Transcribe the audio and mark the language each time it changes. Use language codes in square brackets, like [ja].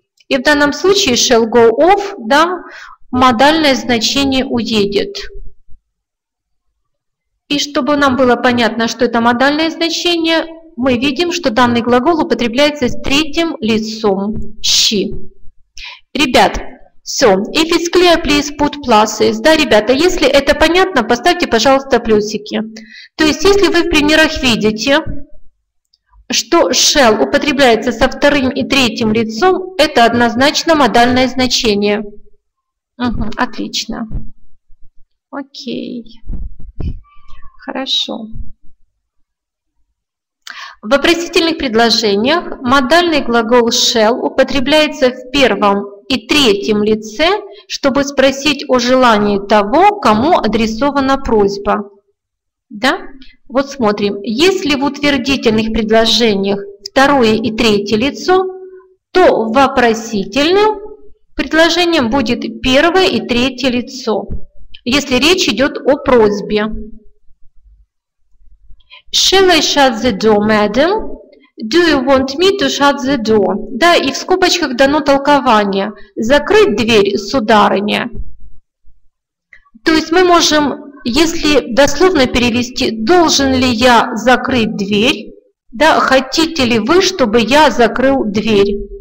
[ru] И в данном случае [en] shall go off, [ru] да, модальное значение уедет. И чтобы нам было понятно, что это модальное значение, мы видим, что данный глагол употребляется с третьим лицом, she. Ребят, [en] so, if it's clear, please put pluses. [ru] Да, ребята, если это понятно, поставьте, пожалуйста, плюсики. То есть, если вы в примерах видите, что shall употребляется со вторым и третьим лицом, это однозначно модальное значение. Угу, отлично. Окей. Хорошо. В вопросительных предложениях модальный глагол shall употребляется в первом и третьем лице, чтобы спросить о желании того, кому адресована просьба. Да? Вот смотрим. Если в утвердительных предложениях второе и третье лицо, то в вопросительном предложении будет первое и третье лицо, если речь идет о просьбе. [en] Shall I shut the door, madam? Do you want me to shut the door? [ru] Да, и в скобочках дано толкование. Закрыть дверь, сударыня. То есть мы можем, если дословно перевести, должен ли я закрыть дверь? Да, хотите ли вы, чтобы я закрыл дверь?